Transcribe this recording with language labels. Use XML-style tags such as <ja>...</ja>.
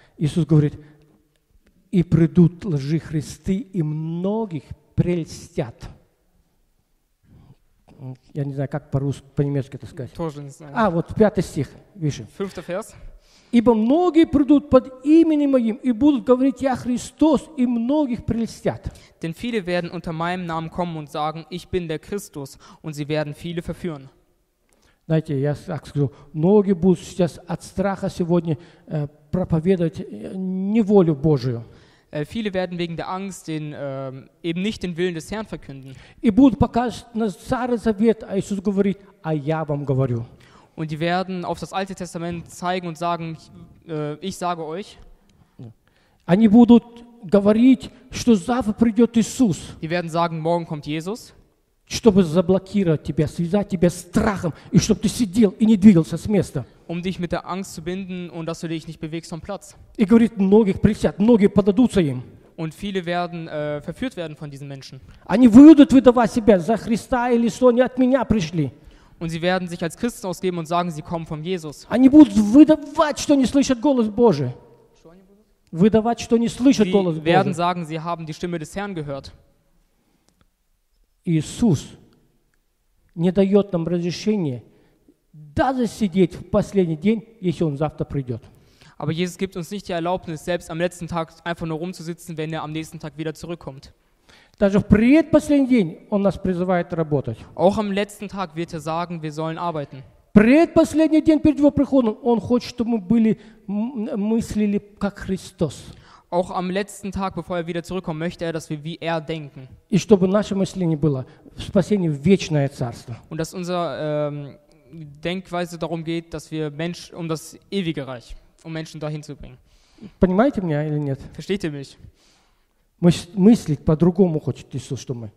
<ru>Иисус говорит, и придут лжехристы, и многих прельстят. Я не знаю, как по-русски, по-немецки это сказать. Тоже не знаю. А, вот пятый стих, видишь.</ru> <de>Fünfter Vers.</de> <ru>Ибо многие придут под именем моим и будут говорить я Христос и многих прельстят.</ru> <de>Denn viele werden unter meinem Namen kommen und sagen, ich bin der Christus, und sie werden viele verführen.</de> <ru>Знаете, я так скажу, многие будут сейчас от страха сегодня проповедовать не волю Божию.</ru> <de>Viele werden wegen der Angst den eben nicht den Willen des Herrn verkünden.</de> <ru>И будут показывать на Старый Завет, а Иисус говорит, а я вам говорю.</ru> <de>Und die werden auf das Alte Testament zeigen und sagen, ich sage euch.</de> <ru>Они будут говорить, что завтра придет Иисус.</ru> <de>Die werden sagen, morgen kommt Jesus.</de> <ru>Чтобы заблокировать тебя, связать тебя страхом, и чтобы ты сидел и не двигался с места.</ru> <de>Um dich mit der Angst zu binden und dass du dich nicht bewegst vom Platz.</de> <ru>И говорит, многих прельстят, многие поддадутся им.</ru> <de>Und viele werden verführt werden von diesen Menschen.</de> <ru>Они выйдут выдавать себя за Христа или что, не от меня пришли.</ru> <de>Und sie werden sich als Christen ausgeben und sagen, sie kommen von Jesus.</de> <ru>Они будут выдавать, что не слышат голос Божий. Выдавать, что не слышат голос Божий.</ru> <de>Sie werden sagen, sie haben die Stimme des Herrn gehört.</de> <ru>Иисус не дает нам разрешения даже сидеть в последний день, если он завтра придет.</ru> <de>Aber Jesus gibt uns nicht die Erlaubnis, selbst am letzten Tag einfach nur rumzusitzen, wenn er am nächsten Tag wieder zurückkommt.</de> <ru>Даже в предпоследний день он нас призывает работать.</ru> <de>Auch am letzten Tag wird sagen, wir sollen arbeiten.</de> <ru>Предпоследний день перед его приходом он хочет, чтобы мы были мыслили как Христос.</ru> <de>Auch am letzten Tag, bevor wieder zurückkommt, möchte dass wir wie denken.</de> <ru>И чтобы наше мышление было в спасении в вечное царство.</ru> <de>Und dass unsere Denkweise darum geht, dass wir Mensch das ewige Reich, Menschen dahin zu bringen.</de> <ru>Понимаете меня или нет?</ru> <de>Versteht ihr mich?</de> <ru>Мыслить по-другому хочет Иисус, что мы.</ru>